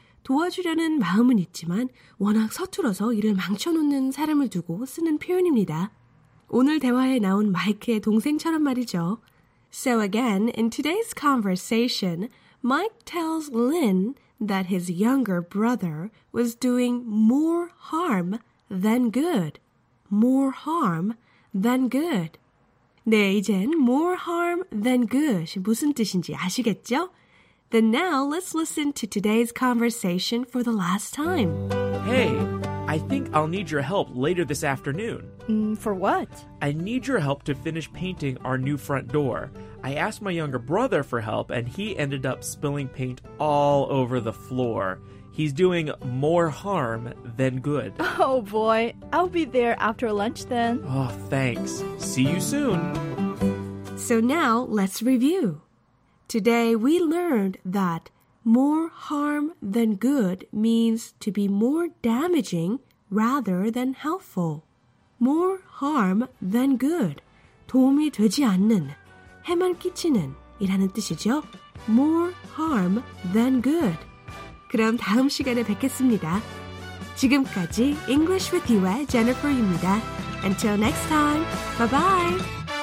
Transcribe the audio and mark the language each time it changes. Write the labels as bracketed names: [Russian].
[Korean] 도와주려는 마음은 있지만 워낙 서툴어서 일을 망쳐놓는 사람을 두고 쓰는 표현입니다. 오늘 대화에 나온 마이크의 동생처럼 말이죠. [English] So again, in today's conversation, Mike tells Lynn that his younger brother was doing more harm than good. More harm than good. [Korean] 네, 이젠 [English] more harm than good [Korean] 이 무슨 뜻인지 아시겠죠? [English] Then now, let's listen to today's conversation for the last time. Hey, I think I'll need your help later this afternoon. For what? I need your help to finish painting our new front door. I asked my younger brother for help, and he ended up spilling paint all over the floor. He's doing more harm than good. Oh, boy. I'll be there after lunch then. Oh, thanks. See you soon. So now, let's review. Today, we learned that more harm than good means to be more damaging rather than helpful. More harm than good. [Korean] 도움이 되지 않는, 해만 끼치는 이라는 뜻이죠. [English] More harm than good. [Korean] 그럼 다음 시간에 뵙겠습니다. 지금까지 English with You의 Jennifer입니다. [English] Until next time, bye-bye.